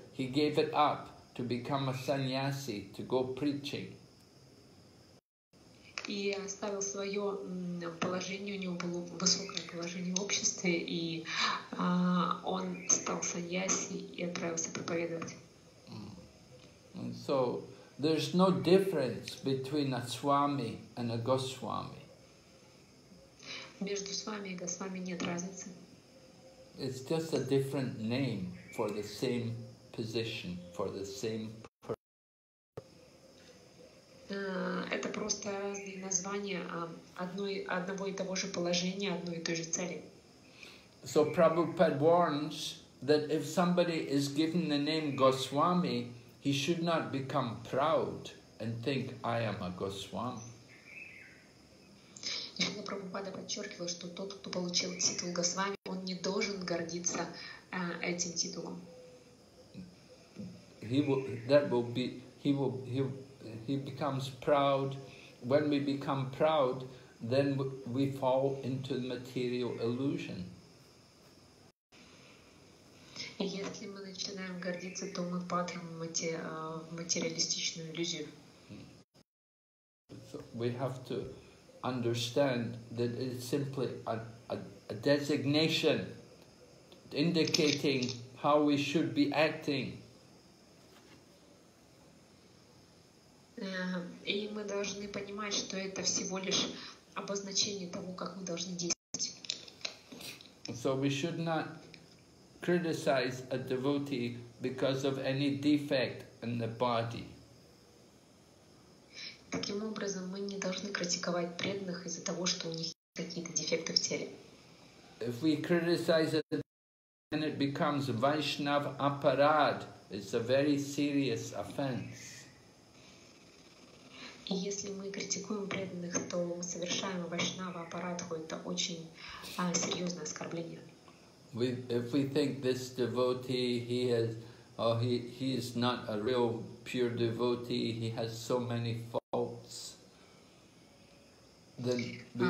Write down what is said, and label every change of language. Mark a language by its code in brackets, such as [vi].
[en] He gave it up to become a sannyasi, to go preaching. [ru] И оставил свое положение, у него было высокое положение в обществе, и он стал саньяси и отправился проповедовать. [en] So there's no difference between a swami and a goswami. [ru] Между свами и госвами нет разницы. [en] It's just a different name for the same position, for the same [ru] Это просто разные названия одного и того же положения, одной и той же цели. [en] So Prabhupada warns that if somebody is given the name Goswami, he should not become proud and think I am a Goswami. [ru] Шрила Прабхупада подчеркивал, что тот, кто получил титул Госвами, он не должен гордиться этим титулом. [en] He becomes proud. When we become proud, then we fall into the material illusion. [ru] Если мы начинаем гордиться, то мы падаем в материалистичную иллюзию. [en] We have to understand that it's simply a designation indicating how we should be acting. [ru] И мы должны понимать, что это всего лишь обозначение того, как мы должны действовать. [en] So we should not criticize a devotee because of any defect in the body. [ru] Таким образом, мы не должны критиковать преданных из-за того, что у них есть какие-то дефекты в теле. [en] If we criticize it, then it becomes Vaishnav aparad. It's a very serious offense. [ru] И если мы критикуем преданных, то мы совершаем Вайшнава апарадху. Это очень серьезное оскорбление. [en] If we think this devotee, he is not a real pure devotee, he has so many faults, then